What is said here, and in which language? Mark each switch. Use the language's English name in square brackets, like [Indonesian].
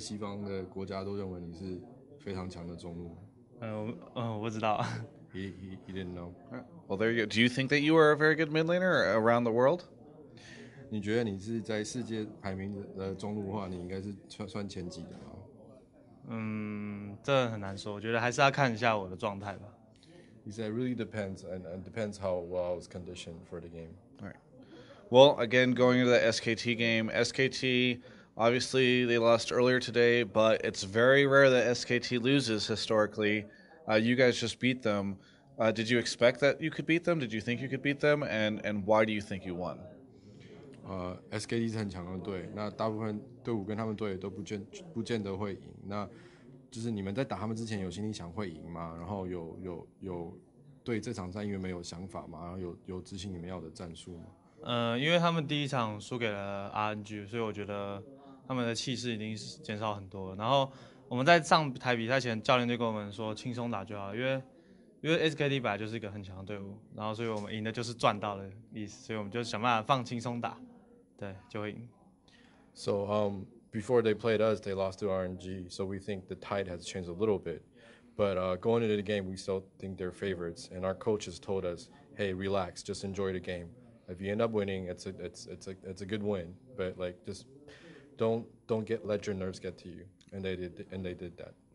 [Chinese] 如果你知道，现在就是在西方的国家都认为你是非常强的中路。我知道。 [English] he didn't know. Well, there you go. Do you think that you are a very good mid laner around the world? [Chinese] 你觉得你是在世界排名的中路的话，你应该是算前几的吗？这很难说，我觉得还是要看一下我的状态吧。 [English] He said, "Really depends, and depends how well I was conditioned for the game." Right. Well, again, going into the SKT game, SKT obviously they lost earlier today, but it's very rare that SKT loses historically. You guys just beat them. Did you expect that you could beat them? Did you think you could beat them? And why do you think you won? [Chinese] SKT 是很强的队，那大部分队伍跟他们队都不见得会赢。那就是你们在打他们之前有心里想会赢吗？然后有对这场战役没有想法吗？然后有执行你们要的战术吗？因为他们第一场输给了 RNG， 所以我觉得他们的气势已经减少很多了。然后我们在上台比赛前，教练就跟我们说轻松打就好，因为 SKT 本来就是一个很强的队伍，然后所以我们赢的就是赚到的意思，所以我们就想办法放轻松打。 [English] So before they played us, they lost to RNG, so we think the tide has changed a little bit. But going into the game, we still think they're favorites, and our coaches told us, hey, relax, just enjoy the game. If you end up winning, it's a good win, but like, just don't get let your nerves get to you, and they did that.